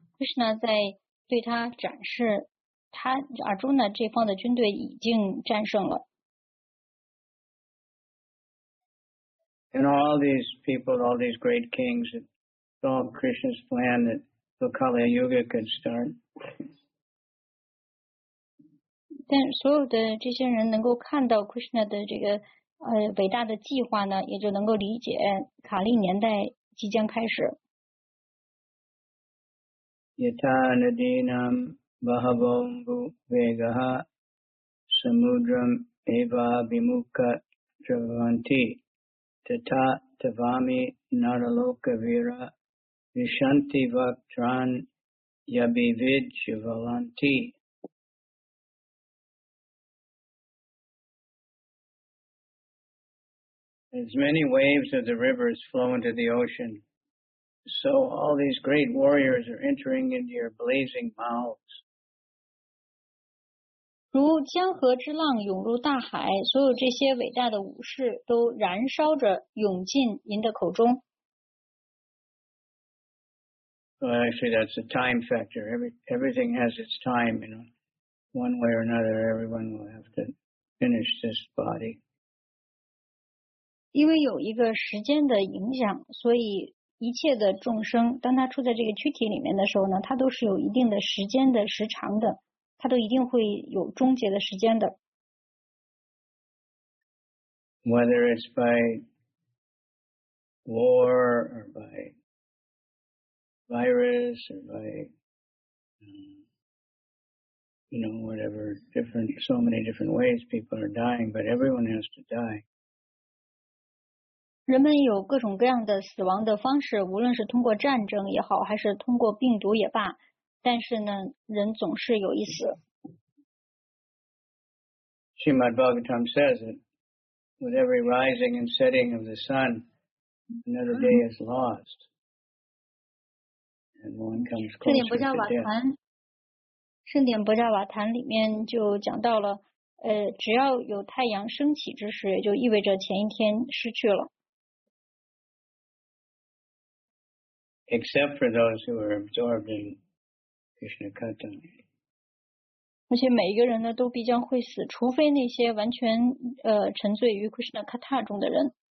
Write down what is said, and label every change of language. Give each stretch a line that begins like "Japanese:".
Chinese: Krishna 在对他展示他 Arjuna 这方的军队已经战胜了。
English: And all these people, all these great kings, it's all Krishna's plan that the Kali Yuga could start.
Chinese: 但所有的这些人能够看到 Krishna 的这个伟大的计划呢，也就能够理解卡利年代即将开始。
Sanskrit: Yata nadinam bahavambu vegaha samudram eva bimukha travanti tata tavami naraloka vira vishanti vaktran yabivid shivalanti。
English: As many waves of the rivers flow into the ocean, so all these great warriors are entering into your blazing mouths.
Chinese: 如江河之浪涌入大海，所有这些伟大的武士都燃烧着涌进您的口中。
English: Well, actually, that's a time factor. Everything has its time, you know. One way or another, everyone will have to finish this body.
Chinese: 因为有一个时间的影响，所以一切的众生当他处在这个躯体里面的时候呢，他都是有一定的时间的时长的，他都一定会有终结的时间的。
English: Whether it's by war or by virus or by you know whatever different, so many different ways people are dying, but everyone has to die.
Chinese: 人们有各种各样的死亡的方式，无论是通过战争也好，还是通过病毒也罢，但是呢，人总是有一死。
English: Srimad Bhagavatam says that with every rising and setting of the sun, another day is lost, and one comes closer to death.
Chinese: 圣典薄伽瓦坛里面就讲到了，只要有太阳升起之时，就意味着前一天失去了。
English: Except for those who are absorbed in Krishna Katha.
Chinese: 而且每一个人呢都必将会死，除非那些完全沉醉于 Krishna Katha 中的人。